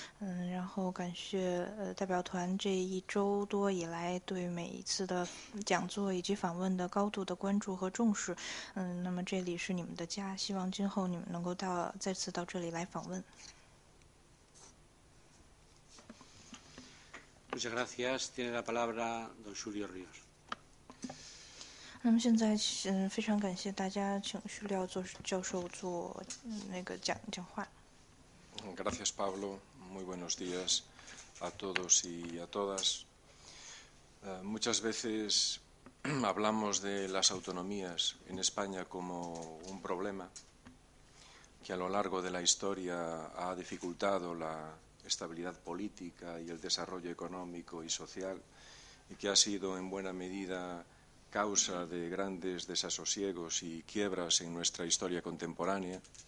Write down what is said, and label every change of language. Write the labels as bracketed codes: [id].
[zh] 然后感谢代表团这一周多以来对每一次的讲座以及访问的高度的关注和重视，那么这里是你们的家，希望今后你们能够再次到这里来访问。 [es] Muchas gracias. Tiene la palabra don Julio Ríos. [zh] 那么现在，非常感谢大家请徐廖教授做那个讲话。 [es] Gracias, Pablo. Muy buenos días a todos y a todas. Muchas veces hablamos de las autonomías en España como un problema que a lo largo de la historia ha dificultado la estabilidad política y el desarrollo económico y social, y que ha sido en buena medida causa de grandes desasosiegos y quiebras en nuestra historia contemporánea.